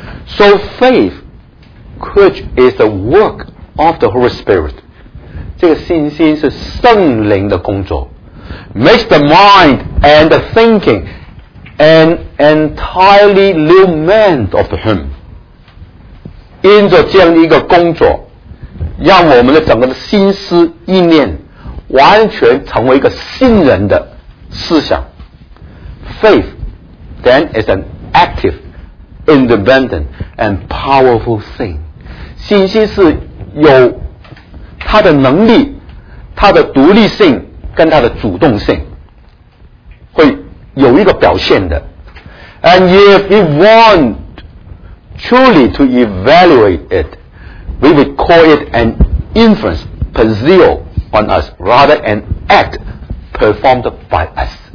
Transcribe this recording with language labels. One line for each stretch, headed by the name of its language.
English: So faith, which is the work of the Holy Spirit,
Chinese: 这个信心是圣灵的工作
English: makes the mind and the thinking an entirely new man of him.
Chinese: 因着这样一个工作，让我们的整个的心思意念完全成为一个新人的思想。
English: Faith then is an active, independent and powerful thing.
Chinese: 信心是有他的能力，他的独立性跟他的主动性会有一个表现的。
English: And if we want truly to evaluate it, we would call it an inference per zeal on us rather an act performed by us.